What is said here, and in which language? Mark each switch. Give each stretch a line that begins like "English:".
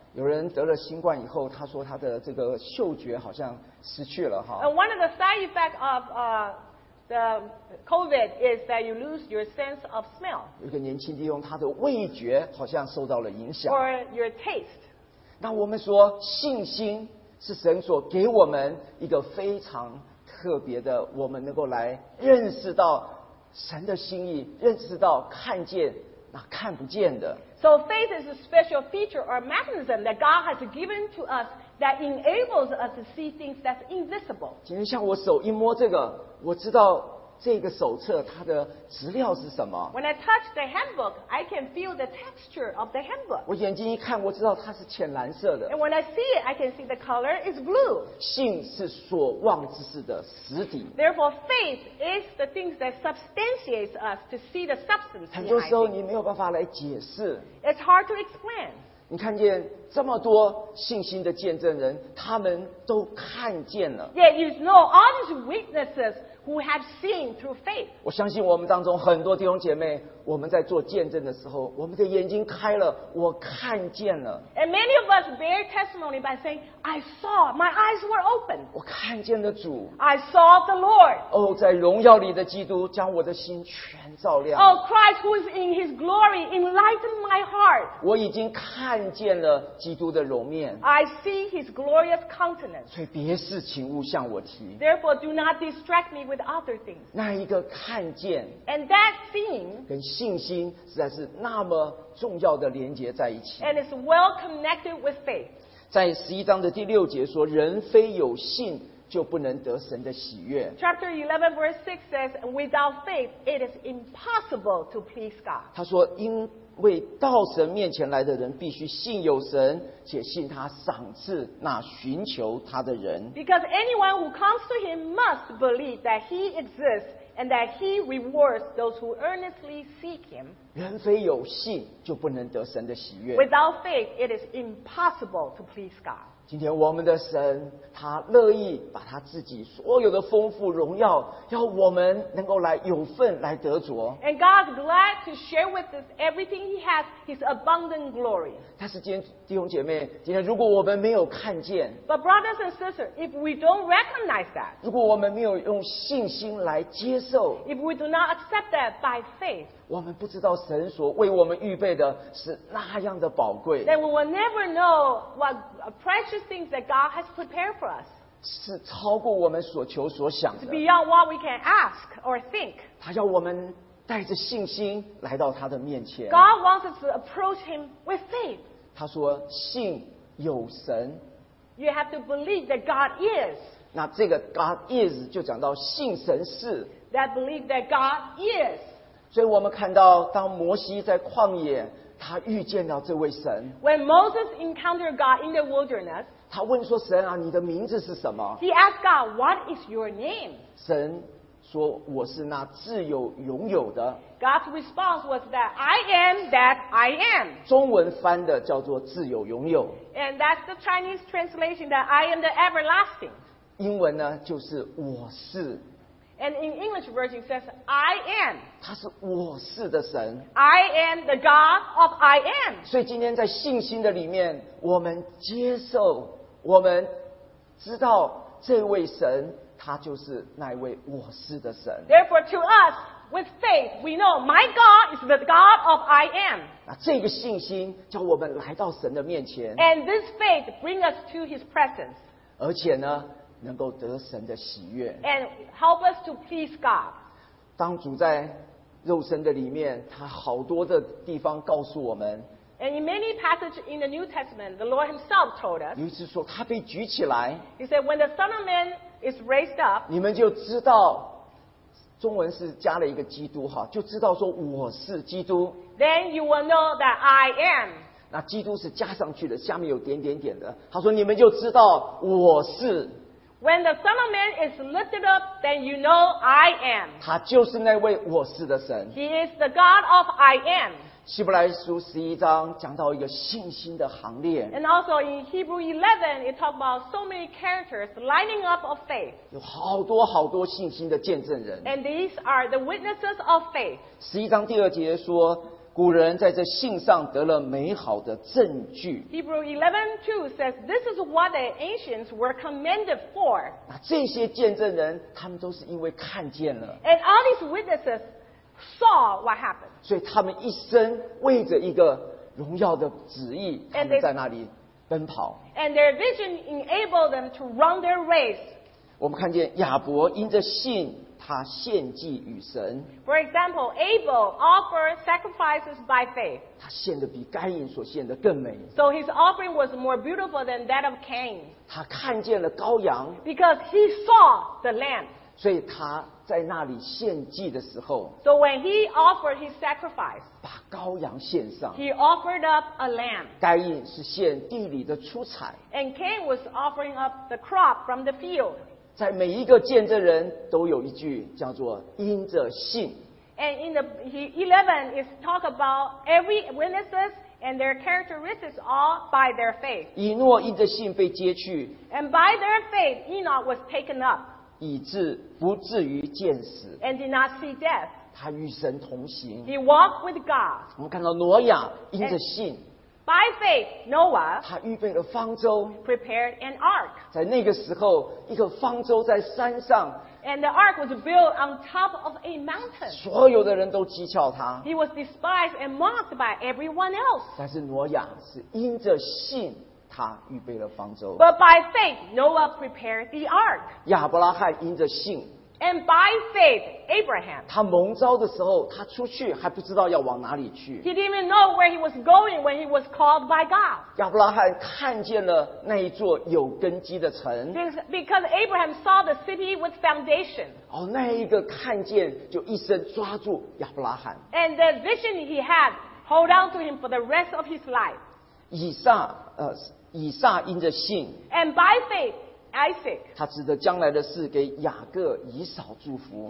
Chinese: 有人得了新冠以后，他说他的这个嗅觉好像失去了哈。
English: And one of the side effects of the COVID is that you lose your sense of smell.
Chinese: 有个年轻弟兄，他的味觉好像受到了影响。
English: Or your taste.
Chinese: 那我们说，信心是神所给我们一个非常特别的，我们能够来认识到神的心意，认识到看见那看不见的。
English: So faith is a special feature or mechanism that God has given to us that enables us to see things that's invisible.
Chinese: 今天像我手一摸这个。我知道这个手册它的资料是什么。
English: When I touch the handbook, I can feel the texture of the handbook.
Chinese: 我眼睛一看，我知道它是浅蓝色的。
English: And when I see it, I can see the color is blue.
Chinese: 信是所望之事的实底。
English: Therefore, faith is the things that substantiates us to see the substance.
Chinese: 很多时候你没有办法来解释。
English: It's hard to explain.
Chinese: 你看见这么多信心的见证人，他们都看见了。
English: Yet you know all these witnesses who have seen through faith.
Chinese: 我相信我们当中很多弟兄姐妹，我们在做见证的时候，我们的眼睛开了，我看见了。
English: And many of us bear testimony by saying, "I saw, my eyes were open."
Chinese: 我看见了主。
English: I saw the Lord.
Chinese: 哦，在荣耀里的基督将我的心全照亮。
English: Oh, Christ who is in His glory enlightened my heart.
Chinese: 我已经看见了。基督的容面。
English: I see his glorious countenance.
Chinese: 所以别事情勿向我提。
English: Therefore do not distract me with other things.
Chinese: 那一个看见。
English: And that seeing.
Chinese: 跟信心实在是那么重要的连结在一起。
English: And it's well connected with faith.
Chinese: 在十一章的第六节说，人非有信就不能得神的喜悦。
English: Chapter 11 verse 6 says, without faith it is impossible to please God.
Chinese: 他说因为到神面前来的人必须信有神，且信他赏赐那寻求他的人。
English: Because anyone who comes to him must believe that he exists and that he rewards those who earnestly seek him.
Chinese: 人非有信就不能得神的喜悦。
English: Without faith, it is impossible to please God.
Chinese: 今天我们的神，他乐意把他自己所有的丰富荣耀，要我们能够来有份来得着。
English: And God is glad to share with us everything He has, His abundant glory.
Chinese: 但是今天弟兄姐妹，今天如果我们没有看见
English: ，But brothers and sisters, if we don't recognize that,
Chinese: 如果我们没有用信心来接受
English: ，If we do not accept that by faith,
Chinese: 我们不知道神所为我们预备的是那样的宝贵。
English: Then we will never know what precious things that God has prepared for us.
Chinese: 是超过我们所求所想的。
English: It's beyond what we can ask or think.
Chinese: 他要我们带着信心来到他的面前。
English: God wants us to approach Him with faith.
Chinese: 他说信有神。
English: You have to believe that God is.
Chinese: 那这个
English: God is
Chinese: 就讲到信神是。
English: That believe that God is.
Chinese: 所以我们看到当摩西在旷野他遇见到这位神。
English: When Moses encountered God in the wilderness,
Chinese: 他问说神啊你的名字是什么?
English: He asked God, what is your name?
Chinese: 神说我是那自由拥有的。
English: God's response was that I am that I am.
Chinese: 中文翻的叫做自由拥有。
English: And that's the Chinese translation that I am the everlasting.
Chinese: 英文呢就是我是。
English: And in English version says I am.
Chinese: 他是我是的神。
English: I am the God of I am.
Chinese: 所以今天在信心的里面，我们接受，我们知道这位神。他就是那位我是的神。
English: Therefore, to us with faith, we know my God is the God of I am.
Chinese: 那这个信心叫我们来到神的面前。
English: And this faith brings us to His presence.
Chinese: 而且呢，能够得神的喜悦。
English: And help us to please God.
Chinese: 当主在肉身的里面，他好多的地方告诉我们。
English: And in many passages in the New Testament, the Lord Himself told us.
Chinese: 尤其说他被举起来。
English: He said, when the Son of Man is raised up,
Chinese: 你们就知道，中文是加了一个基督哈，就知道说我是基督。
English: Then you will know that I am.
Chinese: 那基督是加上去的，下面有点点点的。他说你们就知道我是。
English: When the Son of Man is lifted up, then you know I am.
Chinese: 他就是那位我是的神。
English: He is the God of I am.
Chinese: 希伯来书十一章讲到一个信心的行列。
English: And also in Hebrew 11, it talks about so many characters lining up of faith.
Chinese: 有好多好多信心的见证人。
English: And these are the witnesses of faith.
Chinese: 十一章第二节说，古人在这信上得了美好的证据。
English: Hebrew 11:2 says, this is what the ancients were commended for.
Chinese: 那这些见证人，他们都是因为看见了。
English: And all these witnesses. Saw what happened.
Chinese: 所以他们一生为着一个荣耀的旨意，他们在那里奔跑。
English: And their vision enabled them to run their race.
Chinese: 我们看见亚伯因着信，他献祭与神。
English: For example, Abel offered sacrifices by faith.
Chinese: 他献的比该隐所献的更美。
English: So his offering was more beautiful than that of Cain.
Chinese: 他看见了羔羊。
English: Because he saw the lamb.
Chinese: 所以他。在那里献祭的时候
English: So when he offered his sacrifice
Chinese: 把羔羊献上
English: He offered up a lamb
Chinese: 该隐是献地里的出产
English: And Cain was offering up the crop from the field
Chinese: 在每一个见证人都有一句叫做因着信
English: And in the 11 is talk about every witnesses and their characteristics all by their faith
Chinese: 以诺因着信被接去
English: And by their faith Enoch was taken up
Chinese: 以致不至于见死
English: and did not see death.
Chinese: 他与神同行
English: he walked with God.
Chinese: 我们看到挪亚因着信
English: by faith, Noah
Chinese: 他预备了方舟
English: prepared an ark.
Chinese: 在那个时候一个方舟在山上
English: and the ark was built on top of a mountain.
Chinese: 所有的人都讥诮他
English: he was despised and mocked by everyone else.
Chinese: 但是挪亚是因着信他预备了方舟。
English: But by faith, Noah prepared the ark.
Chinese: 亚伯拉罕因着信。
English: And by faith, Abraham.
Chinese: 他蒙召的时候，他出去还不知道要往哪里去。
English: He didn't even know where he was going when he was called by God.
Chinese: 亚伯拉罕看见了那一座有根基的城。
English: Because Abraham saw the city with foundation.
Chinese: 哦，那一个看见就一生抓住亚伯拉罕。
English: And the vision he had hold on to him for the rest of his life.
Chinese: 以撒因着信
English: and by faith Isaac
Chinese: 他指着将来的事给雅各以扫祝福